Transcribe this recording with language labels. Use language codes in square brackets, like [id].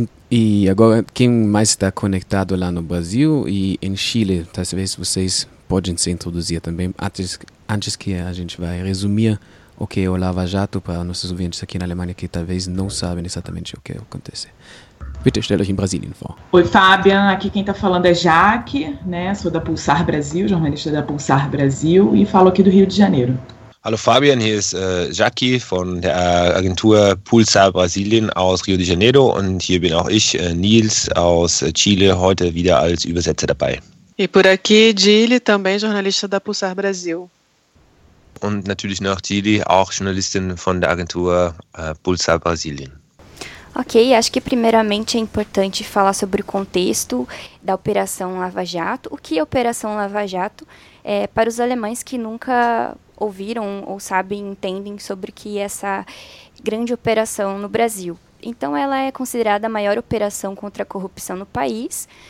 [pt] E agora, quem mais está conectado lá no Brasil e em Chile, talvez vocês podem se introduzir também, antes que a gente vai resumir o que é o Lava Jato para nossos ouvintes aqui na Alemanha que talvez não sabem exatamente o que acontece. [de] Bitte, stell euch in Brasilien vor. [pt] Oi, Fabian. Aqui quem está falando é Jaque, né? Sou da Pulsar Brasil, jornalista da Pulsar Brasil, e falo aqui do Rio de Janeiro. [de] Hallo Fabian, hier ist Jackie von der Agentur Pulsar Brasilien aus Rio de Janeiro und hier bin auch ich, Nils aus Chile, heute wieder als Übersetzer dabei. [pt] E por aqui, Gili, também jornalista da Pulsar Brasil. [de] Und natürlich noch Gili, auch Journalistin von der Agentur Pulsar Brasilien. [pt] Ok, acho que primeiramente é importante falar sobre o contexto da Operação Lava Jato. O que é a Operação Lava Jato é, para os alemães que nunca ouviram ou sabem, entendem sobre o que é essa grande operação no Brasil? Então, ela é considerada a maior operação contra a corrupção no país.